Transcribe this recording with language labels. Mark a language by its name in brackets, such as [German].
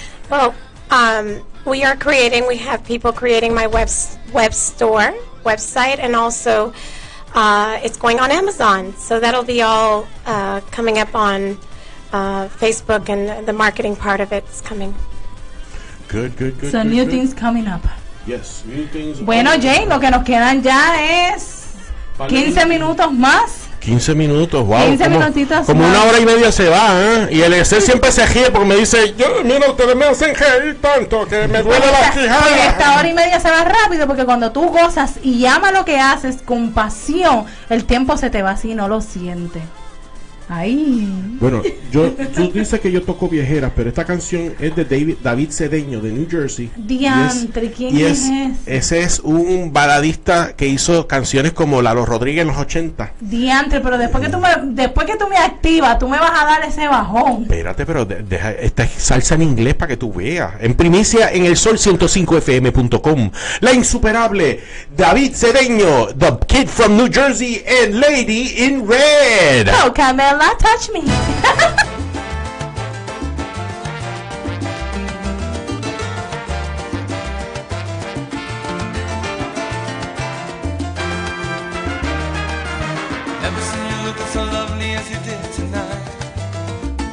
[English] Well, we have people creating my website, and also it's going on Amazon. So that'll be all coming up on Facebook, and the marketing part of it's coming. Good. So new things coming up. Yes, new things. [Spanish] Bueno, Jane, lo que nos quedan ya es 15 minutos más. 15 minutos, wow. 15 minutitos. Como una hora y media se va, ¿eh? Y el EC siempre se gira porque me dice: yo, mira, ustedes me hacen reír tanto que me duele la quijada. Esta hora y media se va rápido porque cuando tú gozas y amas lo que haces con pasión, el tiempo se te va así y no lo sientes. Ahí. Bueno, tú dices que yo toco viejera, pero esta canción es de David Cedeño, de New Jersey. Diantre, ¿quién es? Ese es un baladista que hizo canciones como Lalo Rodríguez en los 80. Diantre, pero después que tú me activas, tú me vas a dar ese bajón. Espérate, pero deja esta salsa en inglés para que tú veas. En primicia, en el sol105fm.com. La insuperable [English] David Cedeño, The Kid from New Jersey, and Lady in Red. No, Camel. Not touch me. Never seen you look so lovely as you did tonight.